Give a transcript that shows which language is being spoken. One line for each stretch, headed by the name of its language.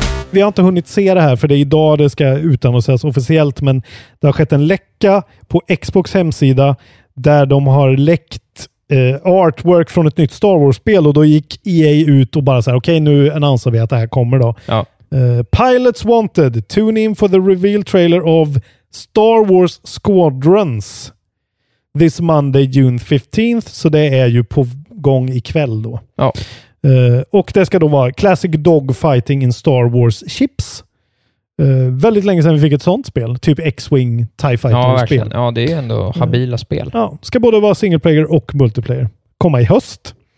Swedish: Vi har inte hunnit se det här, för det är idag det ska utannonseras officiellt, men det har skett en läcka på Xbox hemsida där de har läckt artwork från ett nytt Star Wars-spel, och då gick EA ut och bara så här: okej, nu annonserar vi att det här kommer då. Ja.
English: Pilots Wanted, tune in for the reveal trailer of Star Wars Squadrons this Monday, June 15th.
Swedish: Så det är ju på gång ikväll då. Ja. Och det ska då vara Classic Dogfighting in Star Wars Chips. Väldigt länge sedan vi fick ett sånt spel. Typ X-Wing, TIE Fighter-spel. Ja, det är ändå habila spel. Ja, ska både vara single player och multiplayer. Komma i höst.